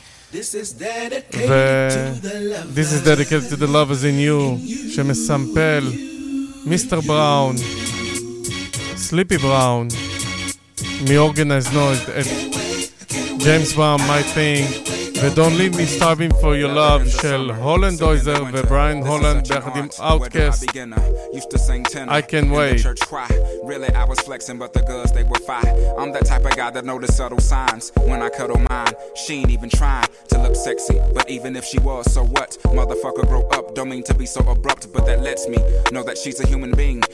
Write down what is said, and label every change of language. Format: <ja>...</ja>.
<en>This is dedicated to the lovers in you,</en> <he>שמסמפל מיסטר בראון, סליפי בראון, מ-Organized Noise, ג'יימס בראון, My Thing, ו-Don't Leave Me Starving For Your Love של הולנד דויזר ובריאן הולנד ביחד עם Outkast.</he> <en>Used to sing tenor, I can wait. The church cry. Really, I was flexing, but the girls, they were fine. I'm that type of guy that noticed subtle signs. When I cuddle mine, she ain't even trying to look sexy. But even if she was, so what? Motherfucker, grow up. Don't mean to be so abrupt, but that lets me know that she's a human being.</en>